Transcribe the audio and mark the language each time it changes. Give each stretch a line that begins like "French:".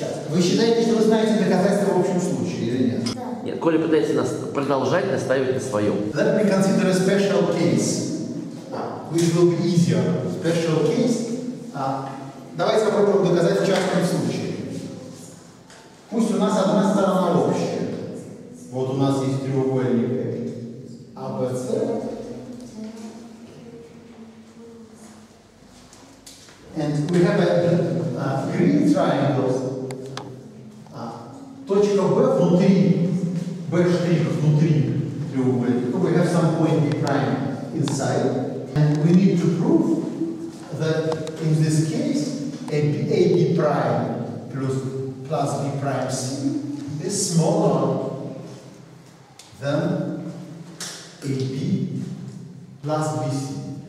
Russian: Вы считаете, что вы знаете доказательства в общем случае или нет? Да. Нет, Коля пытается нас продолжать настаивать на своем.
English: Let me consider a special case, which will be easier. Special case.
Russian: Давайте попробуем доказать в частном случае. Пусть у нас одна сторона общая. Вот у нас есть треугольник ABC.
English: And we have a green triangle.
Russian: Точка B внутри, B' внутри треугольника.
English: We have some point B' inside. And we need to prove that in this case AB' plus B' C is smaller than AB plus BC.